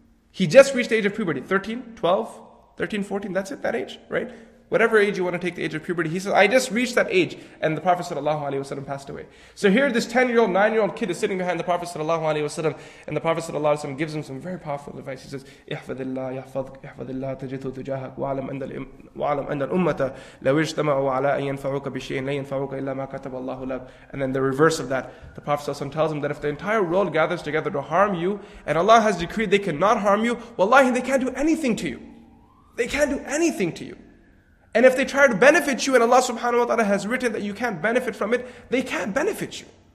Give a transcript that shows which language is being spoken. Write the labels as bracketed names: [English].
[English] He just reached the age of puberty. 13, 12, 13, 14, that's it, that age, right? Whatever age you want to take the age of puberty, he says, I just reached that age. And the Prophet sallallahu alaihi wasallam passed away. So here this 10-year-old, 9-year-old kid is sitting behind the Prophet sallallahu alaihi wasallam, and the Prophet sallallahu alaihi wasallam gives him some very powerful advice. He says, [Arabic] احفظ الله يحفظك احفظ الله تجثو تجاهك وعلم أن الأمة لو اجتمعوا على أن ينفعوك بشيء لا ينفعوك إلا ما كتب الله لك. [English] And then the reverse of that, the Prophet sallallahu alaihi wasallam tells him that if the entire world gathers together to harm you, and Allah has decreed they cannot harm you, wallahi, they can't do anything to you. They can't do anything to you. And if they try to benefit you and Allah subhanahu wa ta'ala has written that you can't benefit from it, they can't benefit you.